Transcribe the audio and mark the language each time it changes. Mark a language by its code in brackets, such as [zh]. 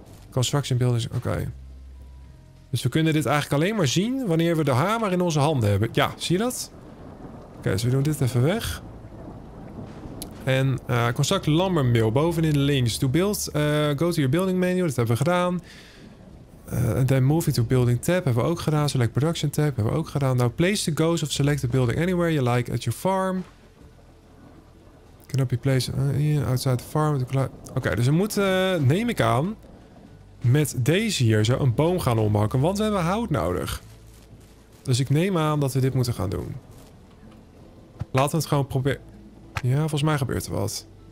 [nl] Construction buildings, oké. Dus we kunnen dit eigenlijk alleen maar zien wanneer we de hamer in onze handen hebben. Ja, zie je dat? Oké, dus we doen dit even weg. En [en] construct lumber mill [nl] bovenin links. [en] To build, go to your building menu. [nl] Dat hebben we gedaan. [en] Then moving to building tab [nl] hebben we ook gedaan. [en] Select production tab [nl] hebben we ook gedaan. [en] Now place the ghost of select the building anywhere you like at your farm. Cannot be placed outside the farm. [nl] Oké, dus we moeten, neem ik aan, met deze hier zo een boom gaan omhakken. Want we hebben hout nodig. Dus ik neem aan dat we dit moeten gaan doen. Laten we het gewoon proberen. Ja, volgens mij gebeurt er wat.